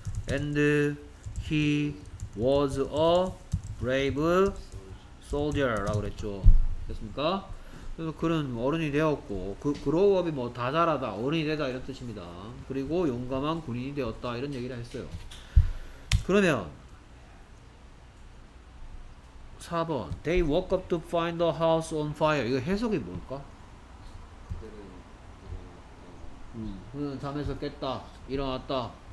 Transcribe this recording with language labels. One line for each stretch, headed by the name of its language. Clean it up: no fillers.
English: and he was a brave soldier 라고 그랬죠. 됐습니까?
Korean: 그래서 그런 어른이 되었고 그 grow up이 뭐 다 자라다 어른이 되다 이런 뜻입니다. 그리고 용감한 군인이 되었다 이런 얘기를 했어요.
English: 그러면 4번 They woke up to find the house on fire.
Korean: 이거 해석이 뭘까? 그는 잠에서 깼다 일어났다.